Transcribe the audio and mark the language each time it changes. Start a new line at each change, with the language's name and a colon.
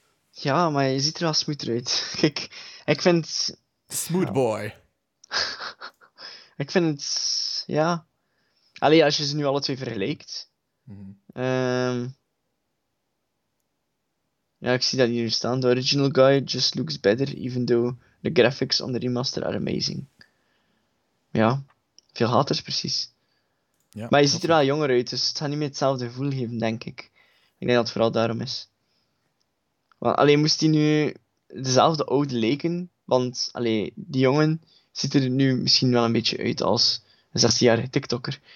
Dutch: Ja, maar je ziet er wel smooth uit. Kijk, ik vind...
English: Smooth boy.
Dutch: Ik vind het... Ja. Allee, als je ze nu alle twee vergelijkt. Mm-hmm. Ja, ik zie dat hier staan.
English: The original guy just looks better, even though the graphics on the remaster are amazing.
Dutch: Ja, veel haters precies. Ja, maar je ziet er wel jonger uit, dus het gaat niet meer hetzelfde gevoel geven, denk ik. Ik denk dat het vooral daarom is. Want, allee, moest hij nu dezelfde oude leken? Want allee, die jongen ziet er nu misschien wel een beetje uit als een 16-jarige TikToker.